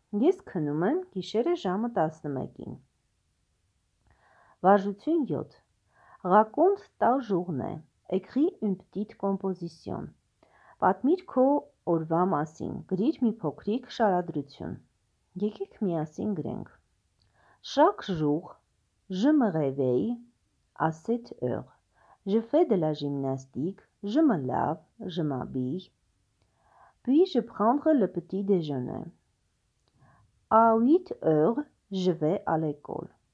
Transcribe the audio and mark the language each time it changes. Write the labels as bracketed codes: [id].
[hy] Ես քնում եմ գիշերը ժամը 11-ին. Վարժություն 7. [fr] Raconte ta journée. Écris une petite composition. [hy] Պատմիր քո օրվա մասին. Գրիր մի փոքրիկ շարադրություն. Եկեք միասին գրենք. [fr] Chaque jour, je me réveille à 7h. Je fais de la gymnastique, je me lave, je m'habille. Puis je prends le petit déjeuner. À 8h, je vais à l'école.